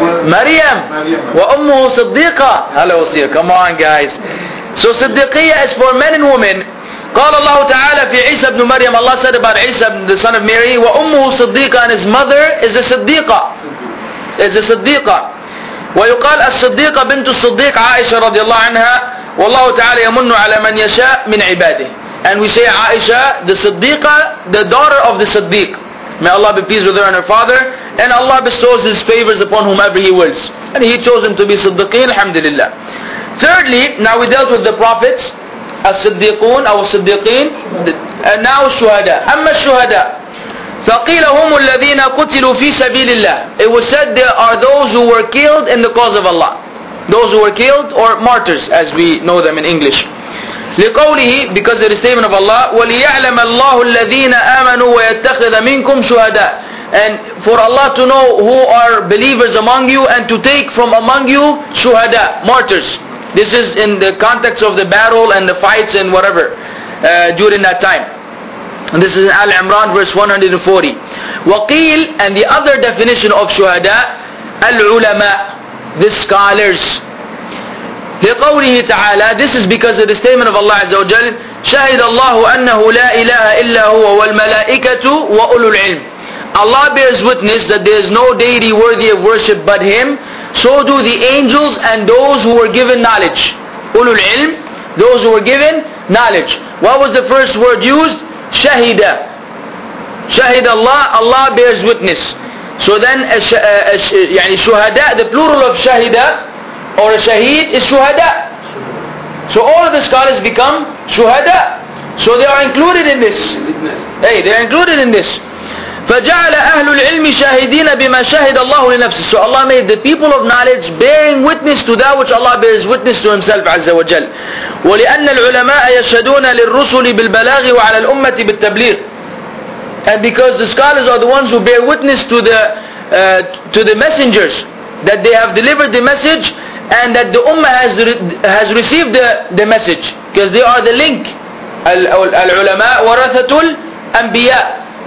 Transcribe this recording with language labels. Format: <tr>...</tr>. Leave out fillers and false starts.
<en>Maryam.</en> <ar>Wa ummuhu Siddiqa.</ar> <en>Hello, Siddiqa. Come on, guys. So Siddiqiyya is for men and women.</en> <ar>قال الله تعالى في عيسى بن مريم,</ar> <en>Allah said about Isa, the son of Mary,</en> <ar>وأمه صديقة,</ar> <en>and his mother is a صديقة. Is a صديقة.</en> <ar>ويقال الصديقة بنت الصديق عائشة رضي الله عنها, والله تعالى يمن على من يشاء من عباده.</ar> <en>And we say Aisha, the صديقة, the daughter of the صديق. May Allah be pleased with her and her father. And Allah bestows His favors upon whomever He wills. And He chose them to be صديقين, alhamdulillah. Thirdly, now we dealt with the prophets.</en> <ar>الصديقون أو الصديقين now الشهداء. أما الشهداء فقيل هم الذين قتلوا في سبيل الله.</ar> <en>It was said there are those who were killed in the cause of Allah. Those who were killed or martyrs as we know them in English.</en> <ar>لقوله,</ar> <en>because of the statement of Allah,</en> <ar>وليعلم الله الذين آمنوا ويتخذ منكم شهداء.</ar> <en>And for Allah to know who are believers among you and to take from among you شهداء, martyrs. This is in the context of the battle and the fights and whatever during that time. And this is in Al Imran, verse 140. Waqil, and the other definition of shuhada, al ulama, the scholars.</en> <ar>لقوله تعالى,</ar> <en>this is because of the statement of Allah Azza wa Jal,</en> <ar>شهد الله أنه لا إله إلا هو والملائكة وأولو العلم.</ar> <en>Allah bears witness that there is no deity worthy of worship but Him. So do the angels and those who were given knowledge. Ulul ilm, those who were given knowledge. What was the first word used? Shahida. Shahid Allah, Allah bears witness. So then, shuhada, the plural of shahida, or a shaheed, is shuhada. So all of the scholars become shuhada. So they are included in this. Hey, they are included in this.</en> <ar>فجعل أهل العلم شاهدين بما شهد الله لنفسه.</ar> <en>So Allah made the people of knowledge bearing witness to that which Allah bears witness to Himself عز وجل.</en> <ar>ولأن العلماء يشهدون للرسل بالبلاغ وعلى الأمة بالتبليغ.</ar> <en>And because the scholars are the ones who bear witness to the messengers that they have delivered the message and that the ummah has received the message, because they are the link.</en> <ar>العلماء ورثة الأنبياء.</ar>